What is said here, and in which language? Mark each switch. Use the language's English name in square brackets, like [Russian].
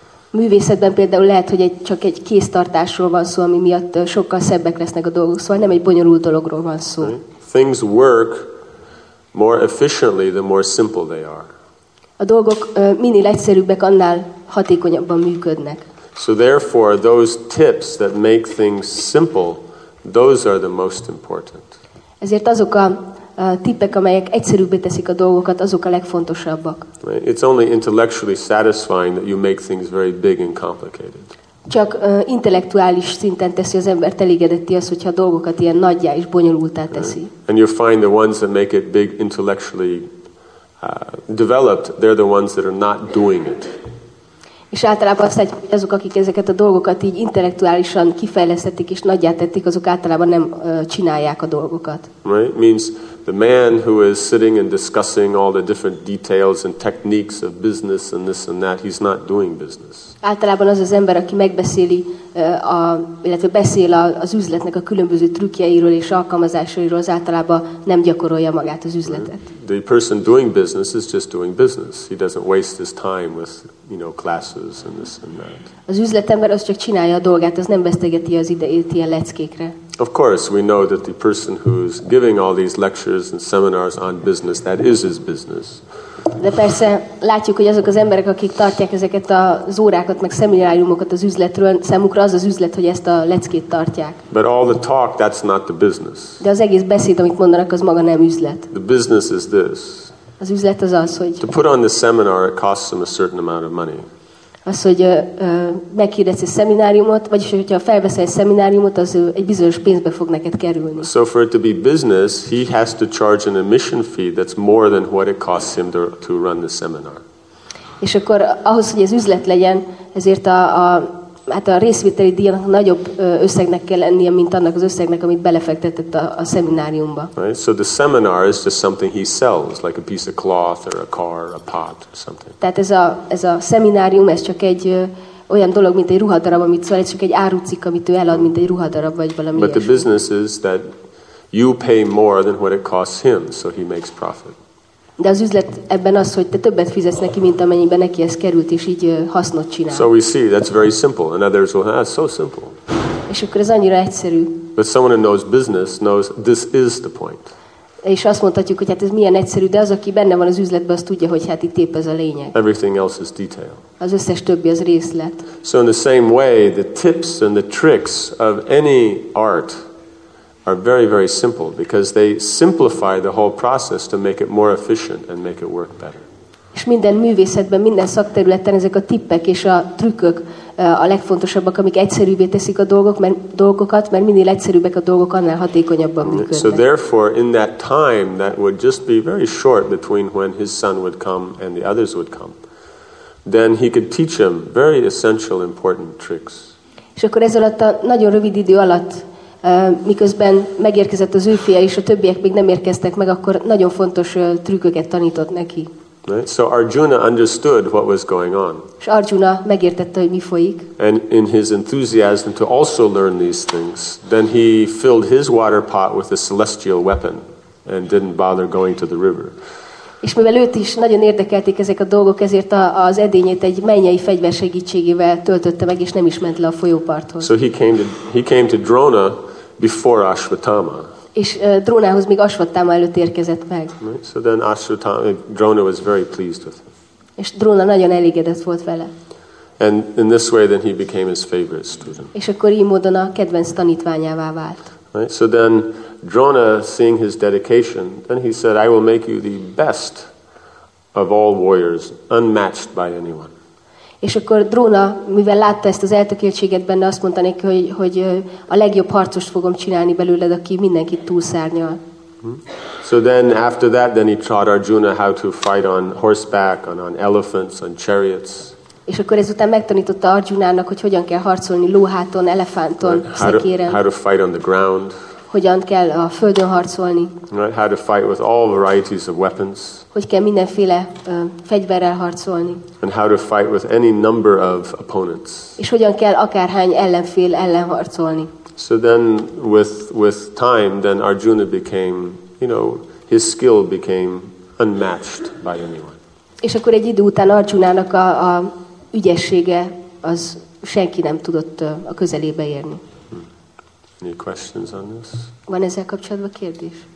[Hungarian] Művészetben például lehet, hogy csak egy kéztartásról van szó, ami miatt sokkal szebbek lesznek a dolgok, szóval nem egy bonyolult dologról van szó. [English] Right. Things work more efficiently the more simple they are. [Hungarian] A dolgok minél egyszerűbbek, annál hatékonyabban működnek. [English] So therefore, those tips that make things simple, those are the most important. [Hungarian] Ezért azok a tippek, amelyek egyszerűbbé teszik a dolgokat, azok a legfontosabbak. [English] It's only intellectually satisfying that you make things very big and complicated. [Hungarian] Csak intellektuális szinten teszi az embert elégedetté az, hogyha a dolgokat ilyen nagyjá és bonyolultá teszi. [English] Right. And you find the ones that make it big intellectually developed, they're the ones that are not doing it. [Hungarian] És általában azt látjuk, hogy azok, akik ezeket a dolgokat így intellektuálisan kifejlesztették és nagyjá tették, azok általában nem csinálják a dolgokat. [English] Right? Means the man who is sitting and discussing all the different details and techniques of business and this and that, he's not doing business. [Hungarian] Általában az az ember, aki megbeszéli, illetve beszél az üzletnek a különböző trükkjeiről és alkalmazásairól, az általában nem gyakorolja magát az üzletet. [English] The person doing business is just doing business. He doesn't waste his time with, you know, classes and this and that. [Hungarian] Az üzletember az csak csinálja a dolgát, az nem vesztegeti az idejét ilyen leckékre. [English] Of course, we know that the person who's giving all these lectures and seminars on business, that is his business. [Hungarian] De persze látjuk, hogy azok az emberek, akik tartják ezeket az órákat, meg szemináriumokat az üzletről, számukra az az üzlet, hogy ezt a leckét tartják. [English] But all the talk, that's not the business. [Hungarian] De az egész beszéd, amit mondanak, az maga nem üzlet. [English] The business is this. [Hungarian] Az üzlet az az, hogy... [English] To put on the seminar, it costs them a certain amount of money. [Hungarian] Az, hogy meghirdetsz egy szemináriumot, vagyis hogyha felveszel egy szemináriumot, az egy bizonyos pénzbe fog neked kerülni. [English] So for it to be business, he has to charge an admission fee that's more than what it costs him to run the seminar. [Hungarian] És akkor ahhoz, hogy ez üzlet legyen, ezért a részvételi díjnak nagyobb összegnek kell lennie, mint annak az összegnek, amit belefektetett a szemináriumba. [English] Right? So the seminar is just something he sells, like a piece of cloth or a car, a pot or something. [Hungarian] Tehát ez a szeminárium, ez csak egy olyan dolog, mint egy ruhadarab, amit szóval, ez csak egy árucikk, amit ő elad, mint egy ruhadarab vagy valami. [English] But the business is that you pay more than what it costs him, so he makes profit. [Hungarian] De az üzlet ebben az, hogy te többet fizetsz neki, mint amennyiben neki ez került, és így hasznot csinál. [English] So we see, that's very simple. And others will, that's so simple. [Hungarian] És akkor ez annyira egyszerű. [English] But someone who knows business knows this is the point. [Hungarian] És azt mondhatjuk, hogy hát ez milyen egyszerű, de az, aki benne van az üzletben, az tudja, hogy hát itt épp ez a lényeg. [English] Everything else is detail. [Hungarian] Az összes többi az részlet. [English] So in the same way, the tips and the tricks of any art are very, very simple because they simplify the whole process to make it more efficient and make it work better. [Hungarian] És minden művészetben, minden szakterületen ezek a tippek és a trükkök a legfontosabbak, amik egyszerűbbé teszik a dolgokat, mert minél egyszerűbbek a dolgok, annál hatékonyabban működnek. [English] So therefore, in that time, that would just be very short between when his son would come and the others would come, then he could teach him very essential, important tricks. [Hungarian] És akkor ez alatt a nagyon rövid idő alatt, miközben megérkezett az ő fia és a többiek még nem érkeztek meg, akkor nagyon fontos trükköket tanított neki. [English] Right? So Arjuna understood what was going on. [Hungarian] És Arjuna megértette, hogy mi folyik. [English] And in his enthusiasm to also learn these things, then he filled his water pot with a celestial weapon and didn't bother going to the river. [Hungarian] És mivel őt is nagyon érdekelték ezek a dolgok, ezért az edényét egy mennyei fegyver segítségével töltötte meg, és nem is ment le a folyóparthoz. [English] So he came to Drona before Ashwatthama. [Hungarian] És Drónához még Ashwatthama előtt érkezett meg. [English] Right? So then Ashwatthama, Drona was very pleased with him. [Hungarian] És Drona nagyon elégedett volt vele. [English] And in this way then he became his favorite student. [Hungarian] És akkor így módon a kedvenc tanítványává vált. [English] Right? So then Drona, seeing his dedication, then he said, I will make you the best of all warriors, unmatched by anyone. [Hungarian] És akkor Drona, mivel látta ezt az eltökéltséget benne, azt mondta neki, hogy a legjobb harcost fogom csinálni belőled, aki mindenkit túlszárnyal. [English] So then after that, then he taught Arjuna how to fight on horseback, on elephants, on chariots. [Hungarian] És akkor ezután megtanította Arjunának, hogy hogyan kell harcolni lóháton, elefánton, szekéren. [English] How to fight on the ground. [Hungarian] hogyan kell a földön harcolni. [English] Right, how to fight with all varieties of weapons. [Hungarian] Hogy kell mindenféle fegyverrel harcolni. [English] And how to fight with any number of opponents. [Hungarian] És hogyan kell akárhány ellenfél ellen harcolni. [English] So then with time then Arjuna became, you know, his skill became unmatched by anyone. [Hungarian] És akkor egy idő után Arjunának a ügyessége az senki nem tudott a közelébe érni. [English] Any questions on this? [Hungarian] Van ezzel kapcsolatban kérdés?